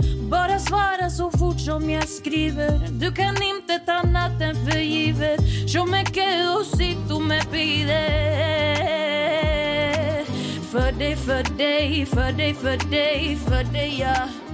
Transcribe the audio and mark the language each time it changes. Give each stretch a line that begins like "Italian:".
Swedish: Bara svara så fort som jag skriver. Du kan inte ta natten för givet.
Spanish: Yo me quedo si tu me pides.
Swedish: För dig, för dig, för dig, för dig, för dig, ja.